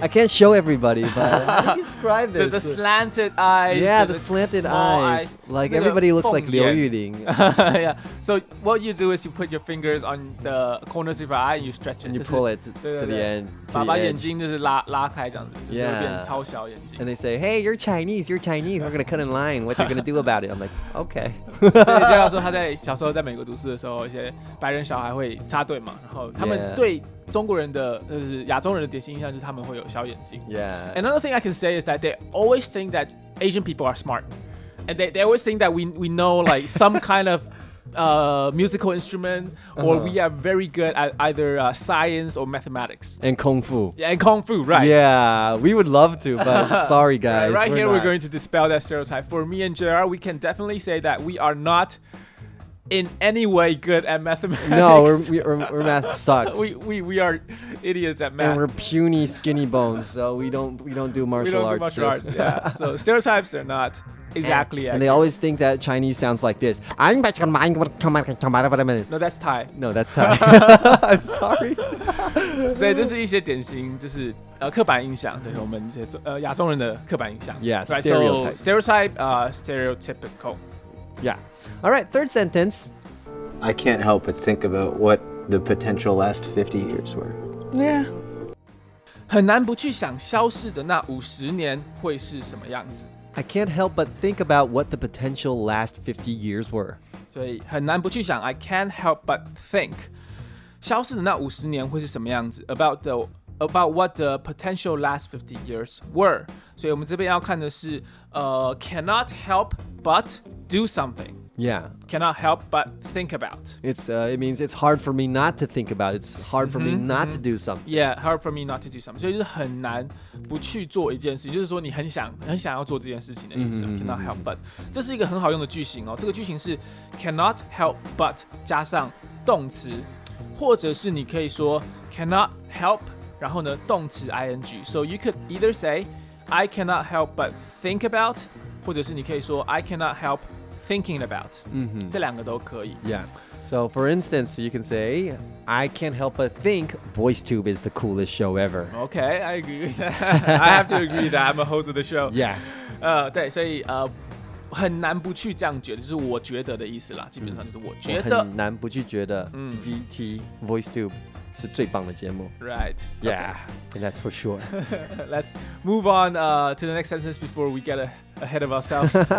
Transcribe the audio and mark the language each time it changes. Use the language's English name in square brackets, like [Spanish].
[English] I can't show everybody, but how do you describe this? The slanted eyes. Yeah, the slanted eyes. Like everybody looks like Liu Yuling. Yeah. So what you do is you put your fingers on the corners of your eye and you stretch it. And you pull it to the end. [Chinese] 把眼睛就是拉开这样子，就是变超小眼睛。 [English] And they say, hey, you're Chinese, you're Chinese. We're going to cut in line. What are you going to do about it? I'm like, okay. [Chinese] 所以就要说他在小时候在美国读书的时候，一些白人小孩会插队嘛，然后他们对中国人的就是亚洲人的典型印象就是他们会有小眼睛。 [English] Yeah. Another thing I can say is that they always think that Asian people are smart, and they always think that we know like some kind of musical instrument, or we are very good at either science or mathematics and kung fu. Yeah, and kung fu, right? Yeah, we would love to, but sorry, guys. Right, we're here, not. We're going to dispel that stereotype. For me and JR, we can definitely say that we are not. In any way good at mathematics. No, we're math sucks. we are idiots at math. And we're puny skinny bones, so we don't do martial arts. We don't do martial arts, yeah. So stereotypes are not exactly and they always think that Chinese sounds like this. No, that's Thai. No, that's Thai. I'm sorry. [Chinese] 所以这是一些典型，就是刻板印象，对我们这些亚洲人的刻板印象。 [English] Yeah, right, stereotypes. So stereotype, stereotypical. Yeah. All right, third sentence. I can't help but think about what the potential last 50 years were. Yeah. [Chinese] 很难不去想消逝的那50年会是什么样子。 [English] I can't help but think about what the potential last 50 years were. [Chinese] 所以很难不去想 [English] I can't help but think [Chinese] 消逝的那50年会是什么样子 [English] about what the potential last 50 years were. [Chinese] 所以我们这边要看的是 [English] cannot help but do something. Yeah. Cannot help but think about. It means it's hard for me not to think about. It's hard for me not to do something. Yeah, hard for me not to do something. [Chinese] 所以就是很难不去做一件事情，就是说你很想要做这件事情的意思。 [English] Mm-hmm. Cannot help but. [Chinese] 这是一个很好用的句型哦。这个句型是 cannot help but 加上动词，或者是你可以说 cannot help 然后呢动词 ing. [English] So you could either say I cannot help but think about, [Chinese] 或者是你可以说 [English] I cannot help thinking about,、 mm-hmm. [Chinese] 这两个都可以。 [English] Yeah. So for instance, you can say, I can't help but think VoiceTube is the coolest show ever. Okay, I agree with that. I have to agree that I'm a host of the show. Yeah. [Chinese] 对，所以很难不去这样觉得，就是我觉得的意思啦，基本上就是我觉得。很难不去觉得 VT,、嗯、VoiceTube,是最棒的节目 [English] Right Yeah、 okay. That's for sure Let's move on、to the next sentence before we get ahead of ourselves